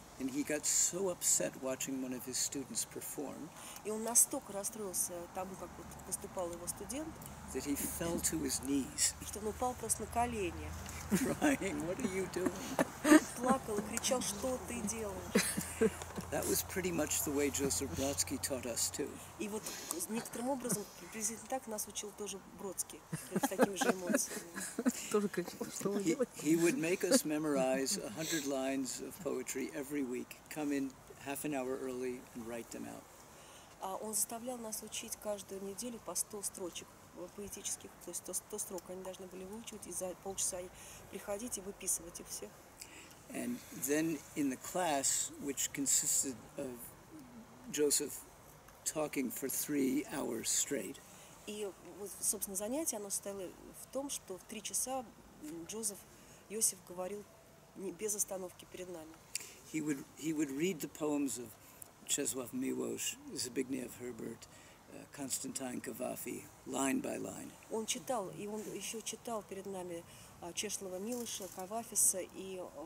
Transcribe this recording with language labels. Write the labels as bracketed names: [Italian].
[English] And he got so upset watching one of his students perform. [Russian] И он настолько расстроился тому, как вот поступал его студент, [English] that he fell to his knees. [Russian] Что он упал просто на колени. [English] Crying, what are you doing? [Russian] Плакал и кричал, что ты делаешь. [English] That was pretty much the way Joseph Brodsky taught us too. [Russian] И вот некоторым образом приблизительно так нас учил тоже Бродский, с такими же эмоциями. Тоже кричал, что он делает. [English] He would make us memorize 100 lines of poetry every week, come in half an hour early and write them out. [Russian] Он заставлял нас учить каждую неделю по 100 строчек поэтических, то есть 100 строк они должны были выучивать и за полчаса приходить и выписывать их всех. [English] And then in the class, which consisted of Joseph talking for 3 hours straight. [Russian] И вот, собственно, занятие оно состояло в том, что в 3 часа Йосиф говорил без остановки перед нами. [English] He would read the poems of Czesław Miłosz, Zbigniew Herbert, Konstantin Kavafy, line by line. [Russian] Он читал, и он еще читал перед нами Чешлова Милоша, Кавафиса и